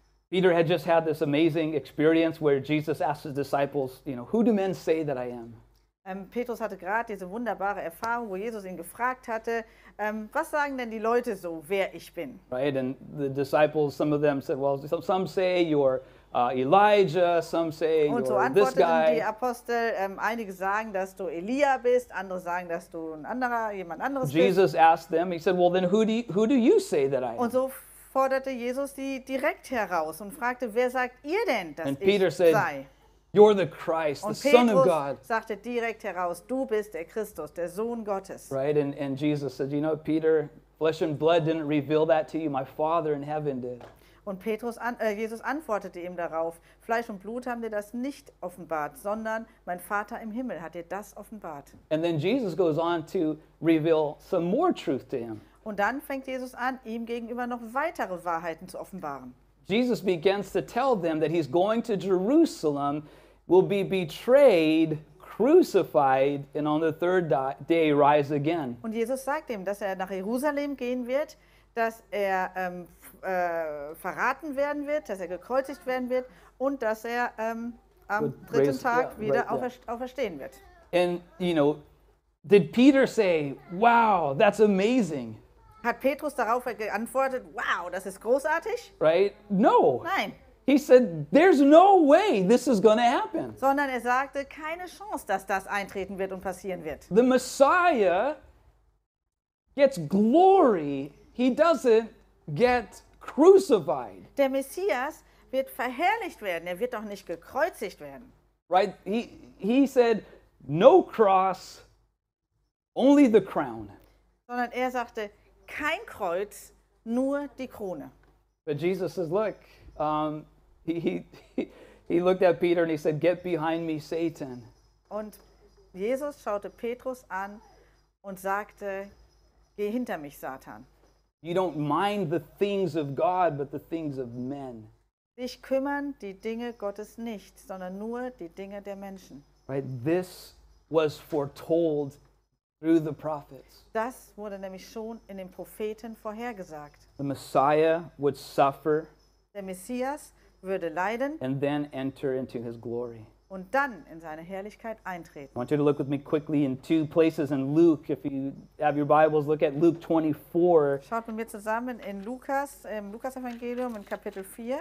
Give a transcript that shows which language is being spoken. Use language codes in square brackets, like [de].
[en] Peter had just had this amazing experience where Jesus asked his disciples, you know, who do men say that I am? [de] Petrus hatte gerade diese wunderbare Erfahrung, wo Jesus ihn gefragt hatte, was sagen denn die Leute so, wer ich bin? [en] Right, and the disciples, some of them said, well, some say you're Elijah, some say [de] und [en] you're [de] so [en] this guy. [de] Die Apostel, einige sagen, dass du Elia bist, andere sagen, dass du jemand anderes bist. [en] Jesus asked them, he said, well, then who do you say that I am? [de] Und so forderte Jesus die direkt heraus und fragte, wer sagt ihr denn, dass [en] and Peter [de] ich [en] said, [de] sei? [en] You're the Christ, the Son of God. [de] Petrus sagte direkt heraus, du bist der Christus, der Sohn Gottes. [en] Right, and Jesus said, you know, Peter, flesh and blood didn't reveal that to you. My Father in heaven did. [de] Und Jesus antwortete ihm darauf, Fleisch und Blut haben dir das nicht offenbart, sondern mein Vater im Himmel hat dir das offenbart. [en] And then Jesus goes on to reveal some more truth to him. [de] Und dann fängt Jesus an, ihm gegenüber noch weitere Wahrheiten zu offenbaren. [en] Jesus begins to tell them that he's going to Jerusalem, will be betrayed, crucified, and on the third day rise again. [de] Und Jesus sagt ihm, dass er nach Jerusalem gehen wird, dass er verraten werden wird, dass er gekreuzigt werden wird und dass er am dritten Tag wieder auferstehen wird. [en] And, you know, did Peter say, wow, that's amazing? [de] Hat Petrus darauf geantwortet, wow, das ist großartig? [en] Right? No. [de] Nein. [en] He said, there's no way this is going to happen. [de] Sondern er sagte, keine Chance, dass das eintreten wird und passieren wird. [en] The Messiah gets glory. He doesn't get crucified. [de] Der Messias wird verherrlicht werden. Er wird doch nicht gekreuzigt werden. [en] Right? He said, no cross, only the crown. [de] Sondern er sagte, kein Kreuz, nur die Krone. [en] But Jesus says, look, he looked at Peter and he said, get behind me, Satan. [de] Und Jesus schaute Petrus an und sagte, geh hinter mich, Satan. [en] You don't mind the things of God, but the things of men. [de] Dich kümmern die Dinge Gottes nicht, sondern nur die Dinge der Menschen. [en] Right, this was foretold through the prophets. [de] Das wurde nämlich schon in den Propheten vorhergesagt. [en] The Messiah would suffer. [de] Der Messias würde leiden, [en] and then enter into his glory. [de] Und dann in seine Herrlichkeit eintreten. [en] I want you to look with me quickly in two places in Luke. If you have your Bibles, look at Luke 24. [de] Schaut mit mir zusammen in Lukas, im Lukas-Evangelium in Kapitel 4.